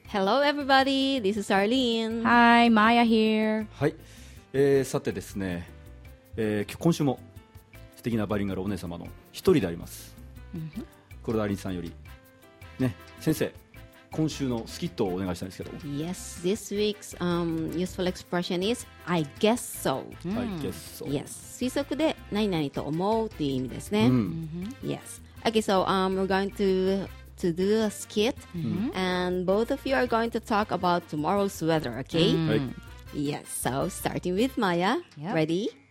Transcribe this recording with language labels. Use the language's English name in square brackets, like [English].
[English] Hello everybody, this is Arlene。 Hi, Maya here。 [Japanese] はい、さてですね、今週も素敵なバイリンガルお姉様の一人であります、黒田アリーさんよりね、先生、今週のスキットをお願いしたいんですけど。 [English] Yes, this week's、useful expression is I guess so、 I guess so、 yes. [Japanese] 推測で何々と思うという意味ですね、Yes. [English] Okay, so、we're going to do a skit、and both of you are going to talk about tomorrow's weather, okay?、Yes, so starting with Maya、Ready?